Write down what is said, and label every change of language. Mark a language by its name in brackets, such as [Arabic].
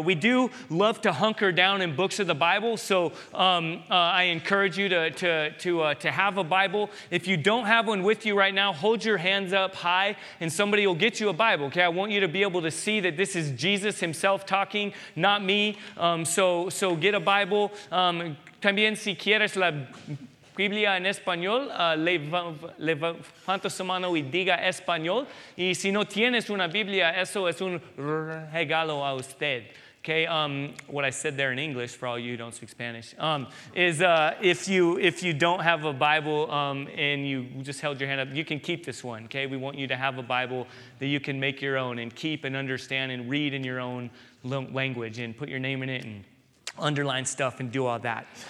[English] We do love to hunker down in books of the Bible, so I encourage you to have a Bible. If you don't have one with you right now, hold your hands up high and somebody will get you a Bible, okay? I want you to be able to see that this is Jesus himself talking, not me. So get a Bible. [Spanish] También si quieres la Biblia en español, levanta su mano y diga español. Y si no tienes una Biblia, eso es un regalo a usted. [English] Okay, what I said there in English, for all you who don't speak Spanish, if you don't have a Bible and you just held your hand up, you can keep this one, okay? We want you to have a Bible that you can make your own and keep and understand and read in your own language and put your name in it and underline stuff and do all that.